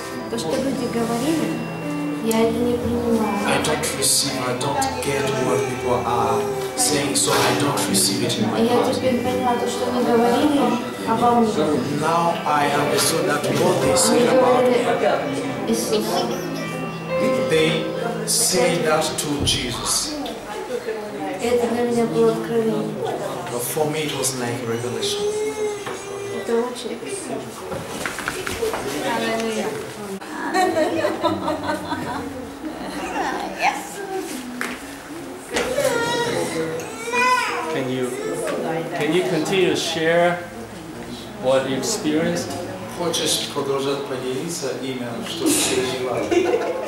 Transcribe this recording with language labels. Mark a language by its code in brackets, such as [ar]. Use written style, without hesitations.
[ru] То, что люди говорили, я это не принимаю. [en] I don't receive, I don't get what people are saying, so I don't receive it in my heart. [ru] Я теперь поняла то, что они говорили обо мне. [en] So now I understood that what they said about me. They say that to Jesus. [ru] Это для меня было откровение. [en] But for me it was like a revelation. [ru] Это очень. [en] Yes. Can you continue to share what you experienced? [ru] Хочешь продолжать поделиться имя, что ты пережила?